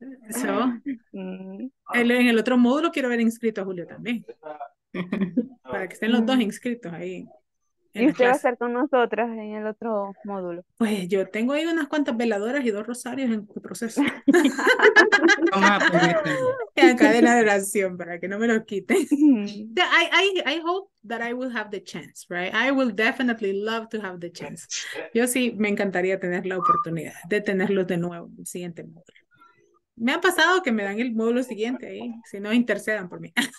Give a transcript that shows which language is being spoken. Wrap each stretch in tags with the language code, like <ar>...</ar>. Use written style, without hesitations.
<es>So, en el otro módulo quiero ver inscrito a Julio también. Para que estén los dos inscritos ahí. ¿Y usted va a estar con nosotras en el otro módulo? Pues yo tengo ahí unas cuantas veladoras y dos rosarios en proceso. En cadena de oración para que no me lo quiten.</es> <en>I hope that I will have the chance, right? I will definitely love to have the chance.</en> <es>Yo sí me encantaría tener la oportunidad de tenerlos de nuevo en el siguiente módulo. Me ha pasado que me dan el módulo siguiente ahí, si no intercedan por mí.</es>